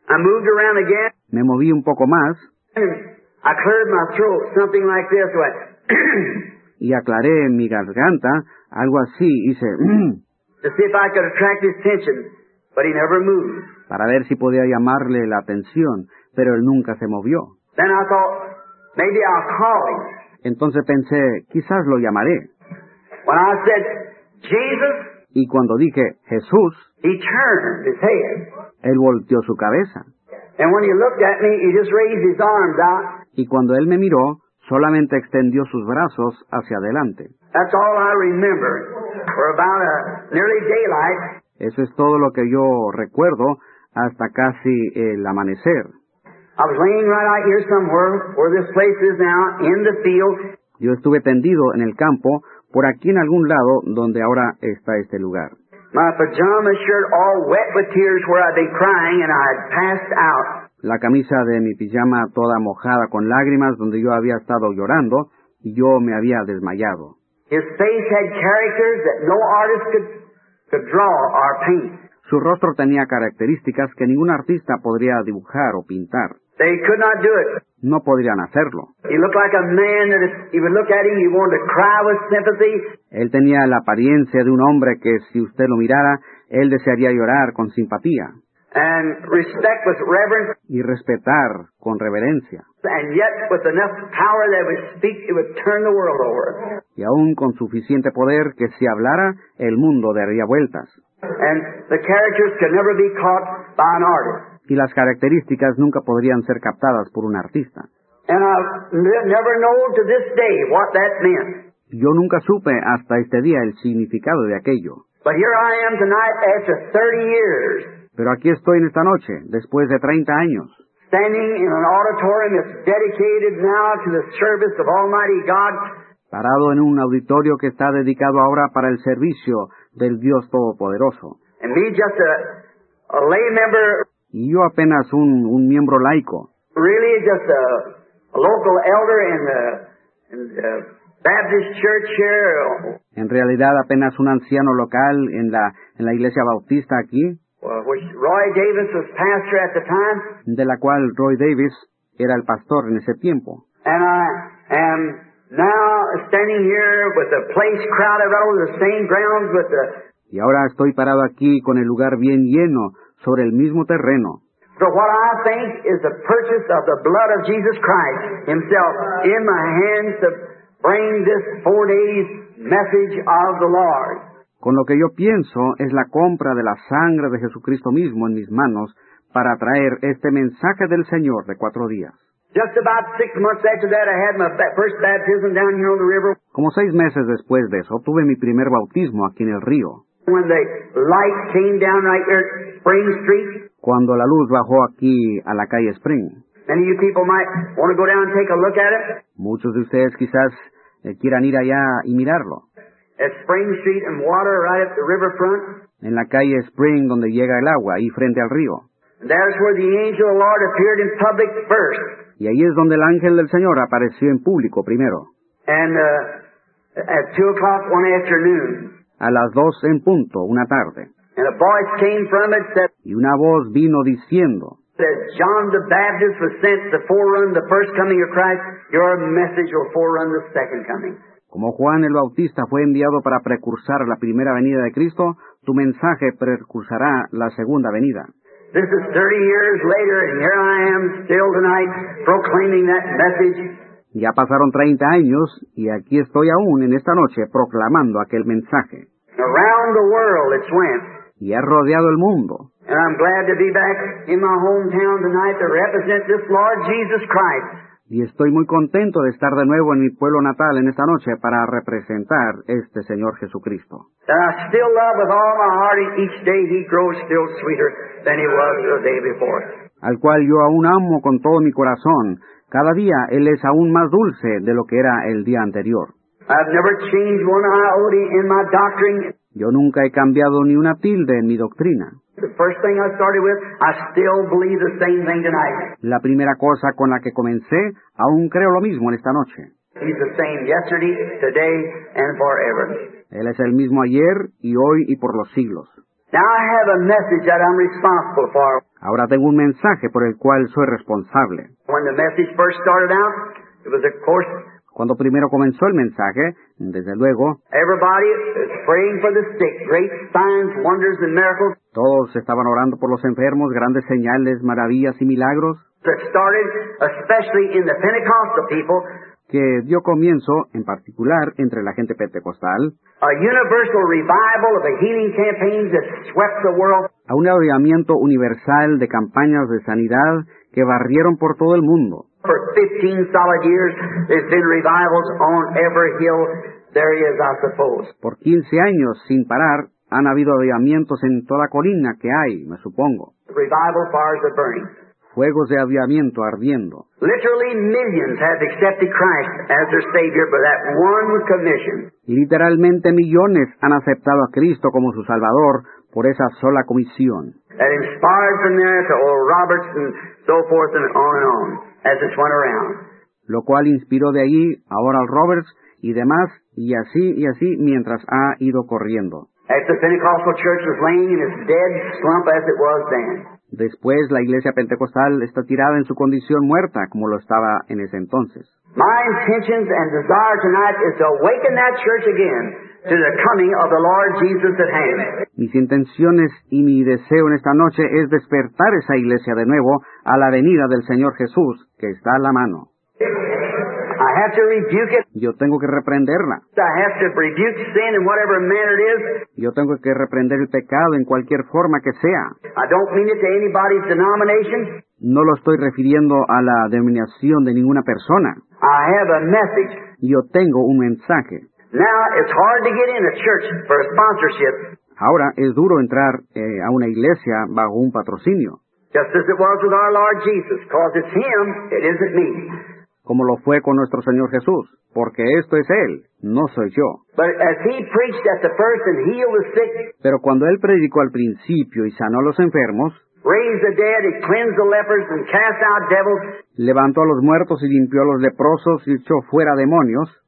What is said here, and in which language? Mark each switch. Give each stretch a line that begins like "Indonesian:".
English: I moved around again.
Spanish: Me moví un poco más.
English: I cleared my throat, something like this way.
Spanish: Y aclaré mi garganta, algo así, hice...
English: To see if I could attract his attention, but he never moved.
Spanish: Para ver si podía llamarle la atención, pero él nunca se movió.
English: Then I thought, maybe I'll call him.
Spanish: Entonces pensé, quizás lo llamaré.
English: When I said, Jesus...
Spanish: Y cuando dije, Jesús,
English: he turned his head.
Spanish: Él volteó su cabeza.
English: And when he looked at me, he just raised his arms out.
Spanish: Y cuando él me miró, solamente extendió sus brazos hacia adelante.
English: That's all I remember for about a nearly daylight.
Spanish: Eso es todo lo que yo recuerdo hasta casi el amanecer.
English: I was laying right out here somewhere where this place is now in the field.
Spanish: Yo estuve tendido en el campo, por aquí en algún lado donde ahora está este lugar.
English: My pajama shirt all wet with tears where I'd been crying and I had passed out.
Spanish: La camisa de mi pijama toda mojada con lágrimas donde yo había estado llorando y yo me había desmayado.
English: His face had characters that no artist could draw or paint.
Spanish: Su rostro tenía características que ningún artista podría dibujar o pintar.
English: They could not do it.
Spanish: No podrían hacerlo.
English: He looked like a man that if you look at him, you wanted to cry with sympathy.
Spanish: Él tenía la apariencia de un hombre que si usted lo mirara, él desearía llorar con simpatía.
English: And respect with reverence.
Spanish: Y respetar con reverencia.
English: And yet with enough power that would speak, it would turn the world over.
Spanish: Y aún con suficiente poder que si hablara, el mundo daría vueltas.
English: And the characters could never be caught by an artist.
Spanish: y las características nunca podrían ser captadas por un artista.
English: And I never know to this day what that meant.
Spanish: Yo nunca supe hasta este día el significado de aquello.
English: But here I am tonight after 30 years.
Spanish: Pero aquí estoy en esta noche, después de 30 años.
English: Standing in an auditorium that's dedicated now to the service of Almighty God.
Spanish: Parado en un auditorio que está dedicado ahora para el servicio del Dios Todopoderoso.
English: And me just a lay member.
Spanish: Y yo apenas un miembro laico.
English: Really just a local elder in the Baptist church here.
Spanish: En realidad apenas un anciano local en la iglesia bautista aquí.
English: Which Roy Davis was pastor at the time.
Spanish: De la cual Roy Davis era el pastor en ese tiempo.
English: And I am now standing here with a place crowded over the same grounds with the.
Spanish: Y ahora estoy parado aquí con el lugar bien lleno sobre el mismo terreno.
English: So what I think is the purchase of the blood of Jesus Christ Himself in my hands to bring this 4 days message of the Lord.
Spanish: Con lo que yo pienso es la compra de la sangre de Jesucristo mismo en mis manos para traer este mensaje del Señor de 4 días.
English: Just about 6 months after that, I had my first baptism down here on the river.
Spanish: Como 6 meses después de eso, tuve mi primer bautismo aquí en el río.
English: When the light came down right here at Spring Street.
Spanish: Cuando la luz bajó aquí a la calle Spring.
English: Many of you people might want to go down and take a look at it.
Spanish: Muchos de ustedes quizás quieran ir allá y mirarlo.
English: At Spring Street and water right at the riverfront.
Spanish: En la calle Spring donde llega el agua, ahí frente al río.
English: And that's where the angel of the Lord appeared in public first.
Spanish: Y ahí es donde el ángel del Señor apareció en público primero.
English: And at 2 o'clock one afternoon.
Spanish: A las 2 en punto, una tarde.
English: And a voice came from it that.
Spanish: Y una voz vino diciendo.
English: That John the Baptist was sent to forerun the first coming of Christ. Your message will forerun the second coming.
Spanish: Como Juan el Bautista fue enviado para precursar la primera venida de Cristo, tu mensaje precursará la segunda venida.
English: This is 30 years later, and here I am still tonight proclaiming that message.
Spanish: Ya pasaron 30 años, y aquí estoy aún en esta noche proclamando aquel mensaje.
English: Around the world it went.
Spanish: Y ha rodeado el mundo.
English: And I'm glad to be back in my hometown tonight to represent this Lord Jesus Christ.
Spanish: Y estoy muy contento de estar de nuevo en mi pueblo natal en esta noche para representar este Señor Jesucristo.
English: That I still love with all my heart each day he grows still sweeter than he was the day before.
Spanish: Al cual yo aún amo con todo mi corazón. Cada día él es aún más dulce de lo que era el día anterior.
English: I've never changed one iota in my doctrine.
Spanish: Yo nunca he cambiado ni una tilde en mi doctrina.
English: The first thing I started with, I still believe the same thing tonight.
Spanish: La primera cosa con la que comencé, aún creo lo mismo en esta noche.
English: He's the same yesterday, today, and forever.
Spanish: Él es el mismo ayer, y hoy, y por los siglos.
English: Now I have a message that I'm responsible for.
Spanish: Ahora tengo un mensaje por el cual soy responsable.
English: When the message first started out, it was of course.
Spanish: Cuando primero comenzó el mensaje, desde luego,
English: everybody is praying for the sick, great signs, wonders and miracles.
Spanish: Todos estaban orando por los enfermos, grandes señales, maravillas y milagros.
English: That started especially in the Pentecostal people.
Spanish: Que dio comienzo, en particular, entre la gente pentecostal.
English: A universal revival of the healing campaigns that swept the world.
Spanish: A un avivamiento universal de campañas de sanidad que barrieron por todo el mundo.
English: For 15 solid years, there's been revivals on every hill there is, I suppose.
Spanish: Por 15 años, sin parar, han habido avivamientos en toda colina que hay, me supongo.
English: Revival fires are burning.
Spanish: Fuegos de avivamiento ardiendo.
English: Literally millions have accepted Christ as their Savior for that one commission.
Spanish: Y literalmente millones han aceptado a Cristo como su Salvador por esa sola comisión.
English: That inspired from there to Oral Roberts and so forth and on as it went around.
Spanish: Lo cual inspiró de allí a Oral Roberts y demás y así mientras ha ido corriendo.
English: As the Pentecostal church was laying in its dead slump as it was then.
Spanish: Después, la iglesia pentecostal está tirada en su condición muerta, como lo estaba en ese entonces.
English: My intentions and desire tonight is to awaken that church again to the coming of the Lord Jesus at hand.
Spanish: Mis intenciones y mi deseo en esta noche es despertar esa iglesia de nuevo a la venida del Señor Jesús, que está a la mano.
English: I have to rebuke it.
Spanish: Yo tengo que reprenderla.
English: I have to rebuke sin in whatever manner it is.
Spanish: Yo tengo que reprender el pecado en cualquier forma que sea.
English: I don't mean it to anybody's denomination.
Spanish: No lo estoy refiriendo a la denominación de ninguna persona.
English: I have a message.
Spanish: Yo tengo un mensaje.
English: Now it's hard to get in a church for a sponsorship.
Spanish: Ahora es duro entrar a una iglesia bajo un patrocinio.
English: Just as it was with our Lord Jesus, because it's Him, it isn't me.
Spanish: Como lo fue con nuestro Señor Jesús, porque esto es Él, no soy yo.
English: But as He preached at the first and healed the sick,
Spanish: pero cuando Él predicó al principio y sanó a los enfermos,
English: raised the dead and cleansed the lepers and cast out devils,
Spanish: levantó a los muertos y limpió a los leprosos y echó fuera demonios,